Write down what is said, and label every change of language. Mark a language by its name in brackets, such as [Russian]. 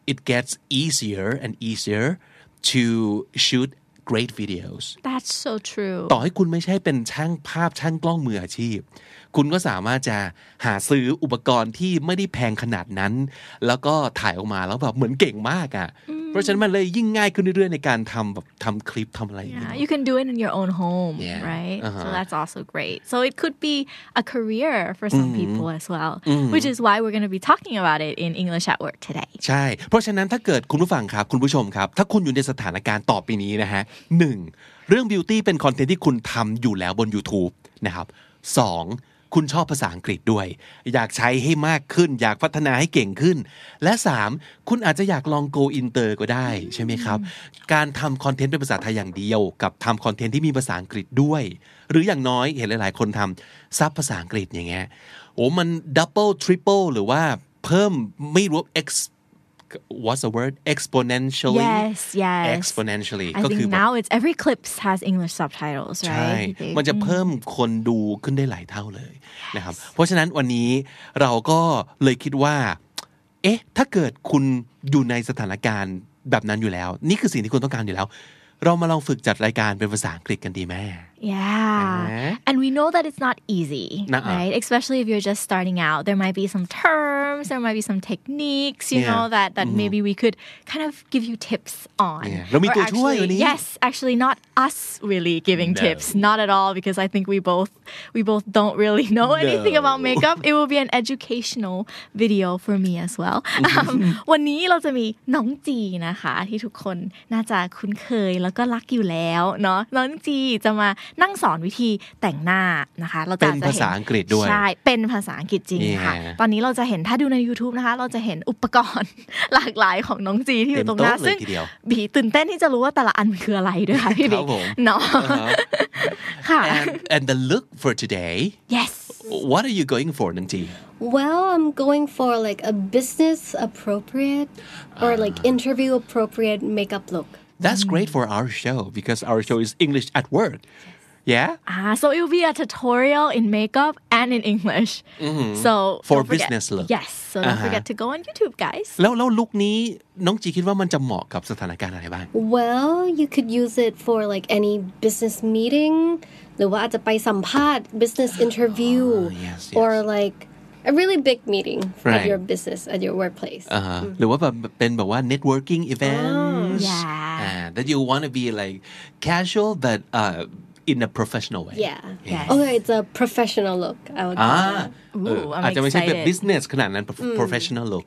[English] It gets easier and easier to shoot great videos. That's so true. [Thai] ต่อให้คุณไม่ใช่เป็นช่างภาพช่างกล้องมืออาชีพคุณก็สามารถจะหาซื้ออุปกรณ์ที่ไม่ได้แพงขนาดนั้นแล้วก็ถ่ายออกมาแล้วแบบเหมือนเก่งมากอ่ะเพราะฉะนั้นมันเลยยิ่งง่ายขึ้นเรื่อยๆในการทำแบบทำคลิปทำอะไร [English] Yeah, you can do it in your own home, yeah. right? Uh-huh. So that's also great. So it could be a career for some mm-hmm. people as well, mm-hmm. which is why we're going to be talking about it in English at Work today. [Thai] ใช่เพราะฉะนั้นถ้าเกิดคุณผู้ฟังครับคุณผู้ชมครับถ้าคุณอยู่ในสถานการณ์ต่อไปนี้นะฮะ 1. เรื่องบิวตี้เป็นคอนเทนต์ที่คุณทำอยู่แล้วบน YouTube นะครับ 2. คุณชอบภาษาอังกฤษด้วยอยากใช้ให้มากขึ้นอยากพัฒนาให้เก่งขึ้นและ 3. คุณอาจจะอยากลอง go inter ก็ได้ใช่ไหมครับการทำคอนเทนต์เป็นภาษาไทยอย่างเดียวกับทำคอนเทนต์ที่มีภาษาอังกฤษด้วยหรืออย่างน้อยเห็นหลายๆคนทำซับภาษาอังกฤษอย่างเงี้ยโอ้มัน double triple หรือว่าเพิ่มไม่รู้ [English] what's the word exponentially yes yes exponentially I think now it's every clip has English subtitles right [Thai] ใช่มันจะเพิ่มคนดูขึ้นได้หลายเท่าเลยนะครับเพราะฉะนั้นวันนี้เราก็เลยคิดว่าเอ๊ะถ้าเกิดคุณอยู่ในสถานการณ์แบบนั้นอยู่แล้วนี่คือสิ่งที่คุณต้องการอยู่แล้วเรามาลองฝึกจัดรายการเป็นภาษาอังกฤษกันดีไหม [English] Yeah. And we know that it's not easy, right? Especially if you're just starting out. There might be some terms, there might be some techniques, you know, that maybe we could kind of give you tips on. [Thai] เรามีตัวช่วยวันนี้ [English] Yes, actually not us really giving tips, not at all because I think we both don't really know anything about makeup. It will be an educational video for me as well. [Thai] วันนี้เราจะมีน้องจีนะคะที่ทุกคนน่าจะคุ้นเคยแล้วก็รักอยู่แล้วเนาะน้องจีจะมานั่งสอนวิธีแต่งหน้านะคะเราจะ เป็นภาษาอังกฤษด้วย ใช่เป็นภาษาอังกฤษจริง [English] yeah. [Thai] ค่ะตอนนี้เราจะเห็นถ้าดูใน YouTube นะคะเราจะเห็นอุปกรณ์หลากหลายของน้องจีที่อยู่ตรงหน้าซึ่ งบีตื่นเต้นที่จะรู้ว่าแต่ละอันคืออะไรด้วยค่ะพี่บีเนาะค่ะ [English] and the look for today yes what are you going for [Thai] น้องจี [English] Well, I'm going for like a business appropriate or like interview appropriate makeup look. That's great for our show because our show is English at Work. Yes. Yeah? So it will be a tutorial in makeup and in English. Mm-hmm. So for business look. Yes. So don't forget to go on YouTube, guys. [Thai] แล้ว look นี้น้องจีคิดว่ามันจะเหมาะกับสถานการณ์อะไรบ้าง [English] Well, you could use it for like any business meeting [Thai] หรือว่าอาจจะไปสัมภาษณ์ [English] business interview or like... A really big meeting right. at your business, at your workplace. [Thai] หรือว่าแบบเป็นแบบว่า networking events. [English] Oh, yeah. That you want to be like casual, but in a professional way. Yeah. Okay, it's a professional look. I'm excited. [Thai] อาจจะไม่ใช่แบบ business ขนาดนั้น professional look.